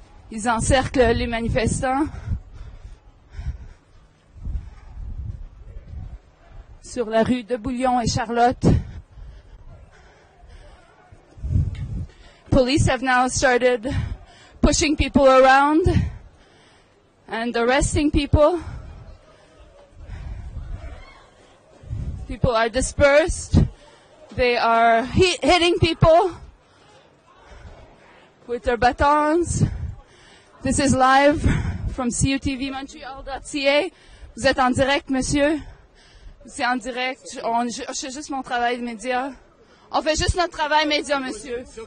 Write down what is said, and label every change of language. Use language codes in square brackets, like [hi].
[fr] Ils encerclent les manifestants. Sur la rue de Bouillon et Charlotte. [en] Police have now started pushing people around and arresting people. People are dispersed. They are hitting people with their batons. This is live from CUTVMontreal.ca. [fr] Vous êtes en direct, monsieur? C'est en direct. Je fais juste mon travail de média. On fait juste notre travail média, monsieur.